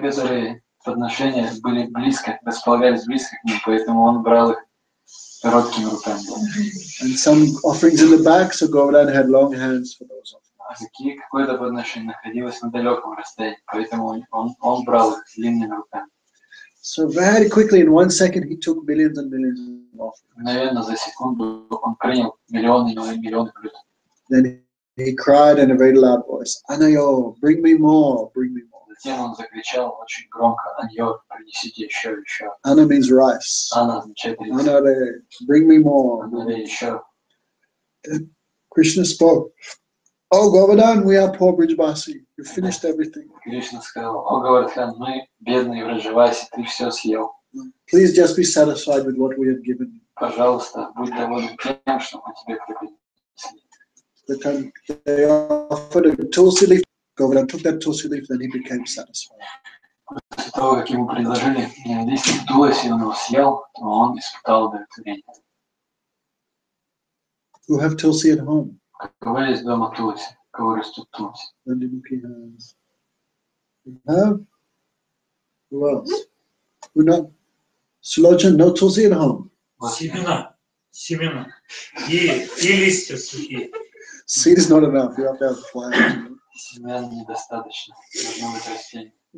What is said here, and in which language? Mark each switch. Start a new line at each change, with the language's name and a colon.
Russian: Некоторые подношения были близко, располагались близко к ним, поэтому он брал их короткими руками.
English: And some offerings in the back, so Govardhan had long hands for those offerings.
Russian: А какое-то подношение находилось на далеком расстоянии, поэтому он брал их длинными руками.
English: So very quickly, in 1 second, he took millions and millions of offerings.
Russian: Наверное, за секунду он принял миллионы и миллионы блюд.
English: Then He cried in a very loud voice, Anayo, bring me more, bring me more.
Russian: Затем он закричал очень громко, Anayo, принесите еще, еще.
English: Ana means rice.
Russian: Ana означает рис.
English: Anare, bring me more.
Russian: Anare, еще.
English: Krishna spoke, Oh Govardhan, we are poor Brijbasi, you finished everything.
Russian: Krishna сказал, О Говардхан, мы бедные Брижбаси, ты все съел.
English: Please just be satisfied with what we have given.
Russian: Пожалуйста, будь доволен тем, что мы тебе принесли.
English: They offered a tulsi leaf. Govardhan took that tulsi leaf, then he became satisfied.
Russian: После того, как ему предложили листик туласи, он его съел, то он испытал удовлетворение.
English: Who have tulsi at home?
Russian: Кого есть дома туласи? Кого растут туласи?
English: Then he became has. Have? Who else? Who not? Сулочан, no tulsi at home?
Russian: Семена. Семена. И листья сухие.
English: Seed is not enough, you have to have plants.
Russian: Семян недостаточно, должно быть растение.